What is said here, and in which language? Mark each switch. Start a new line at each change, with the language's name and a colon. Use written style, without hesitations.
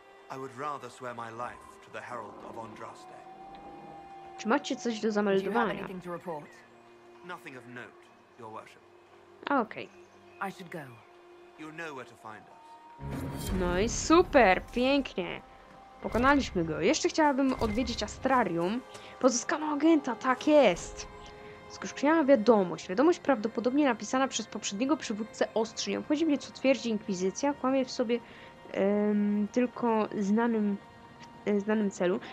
English: I would rather swear my life to the herald of Andraste.
Polish: Czy macie coś do zameldowania?
English: Nothing of note, your worship. Okay. I should go. You know where to find us.
Polish: No i super, pięknie. Pokonaliśmy go. Jeszcze chciałabym odwiedzić Astrarium. Pozyskano agenta, tak jest. Skrzyczniała wiadomość. Wiadomość prawdopodobnie napisana przez poprzedniego przywódcę Ostrzy. Nie obchodzi mnie, co twierdzi Inkwizycja. Kłamie w sobie tylko znanym celu.